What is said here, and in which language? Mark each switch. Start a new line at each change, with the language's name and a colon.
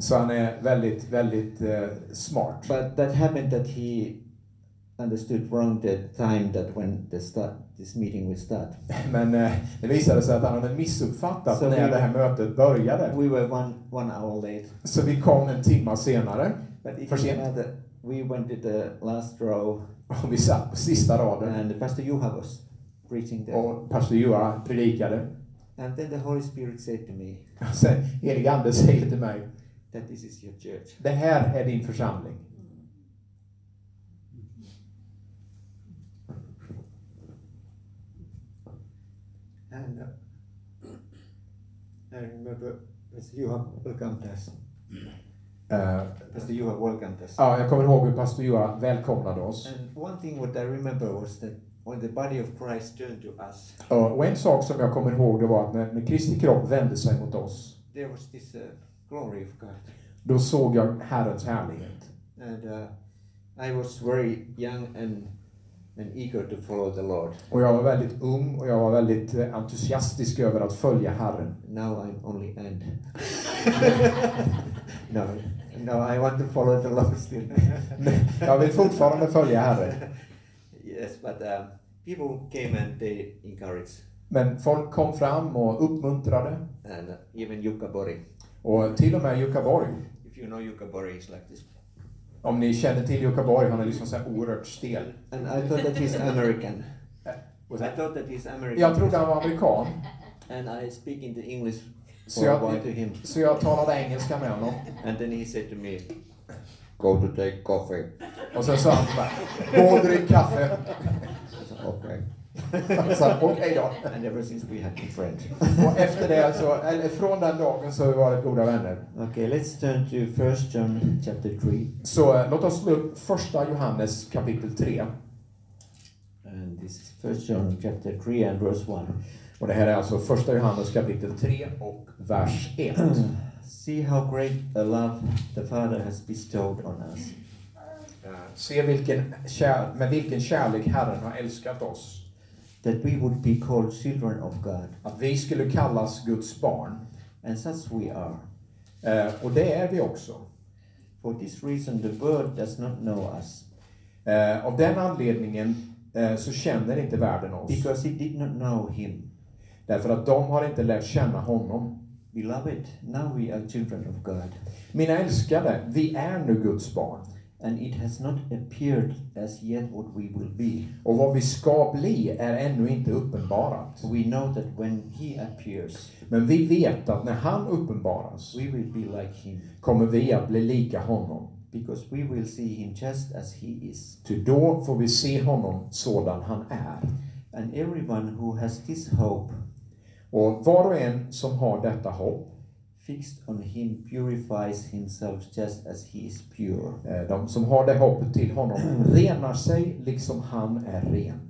Swedish: Så han är väldigt, väldigt smart.
English: But that happened that he understood wrong the time that when this meeting would start.
Swedish: Men det visade sig att han hade missuppfattat
English: so
Swedish: när det här mötet började.
English: We were one hour late.
Swedish: Så vi kom en timme senare.
English: But if you know that we went to the last row.
Swedish: Och vi satt på sista raden.
English: And Pastor Juha was preaching there.
Swedish: Och Pastor Juha predikade.
English: And then the Holy Spirit said to me.
Swedish: Så Helige Ande säger till mig.
English: That this is your church.
Swedish: Det här är din församling.
English: And I remember Pastor Juha welcomed us. Pastor Juha welcomed us.
Swedish: Ja, jag kommer ihåg hur Pastor Juha välkomnade oss.
English: And one thing what I remember was that when the body of Christ turned to us.
Swedish: Och en sak som jag kommer ihåg det var att när Kristi kropp vände sig mot oss.
English: There was this glory of God.
Swedish: Då såg jag Herrens härlighet.
English: And I was very young and eager to follow the Lord.
Swedish: Och jag var väldigt ung och jag var väldigt entusiastisk över att följa Herren.
English: Now I'm only end. No, I want to follow the Lord still.
Swedish: Jag vill fortfarande följa Herren.
English: Yes, but people came and they encouraged.
Swedish: Men folk kom fram och uppmuntrade.
English: And even Jukka Borg.
Swedish: Och till och med Jukka Borg.
English: If you know Jukka Borg, he's like this.
Swedish: Om ni känner till Jukka Borg, han är liksom så här oerhört stel.
English: And I thought that he's American. I thought that he's American.
Swedish: Jag trodde han var amerikan.
English: And I speak in the English for a while to him.
Swedish: Så jag talade engelska med honom.
English: And then he said to me, go to take coffee.
Swedish: Och sen sa han, gå och drick kaffe. Okej. Han sa, okej då.
English: And ever since we have been friends.
Swedish: Och efter det, så, eller från den dagen så har vi varit goda vänner.
English: Okay, let's turn to 1 John chapter 3.
Swedish: Så låt oss slå upp 1 Johannes kapitel 3.
English: And this is 1 John chapter 3 and verse 1.
Swedish: Och det här är alltså 1 Johannes kapitel 3 och vers 1.
English: See how great a love the Father has bestowed on us.
Swedish: Se vilken kärlek Herren har älskat oss.
English: That we would be called children of God.
Swedish: Att vi skulle kallas Guds barn.
English: And such we are.
Swedish: Och det är vi också.
English: For this reason the world does not know us.
Swedish: Av den anledningen så känner inte världen oss.
English: Because it did not know him.
Swedish: Därför att de har inte lärt känna honom.
English: Beloved, now we are children of God.
Swedish: Mina älskade, vi är nu Guds barn.
English: And it has not appeared as yet what we will be.
Swedish: Och vad vi ska bli är ännu inte uppenbarat.
English: We know that when he appears.
Swedish: Men vi vet att när han uppenbaras.
English: We will be like him.
Swedish: Kommer vi att bli lika honom.
English: Because we will see him just as he is.
Swedish: Till då får vi se honom sådan han är.
English: And everyone who has this hope.
Swedish: Och var och en som har detta hopp
English: fixed on him purifies himself just as he is pure.
Swedish: De som har det hoppet till honom renar sig liksom han är ren.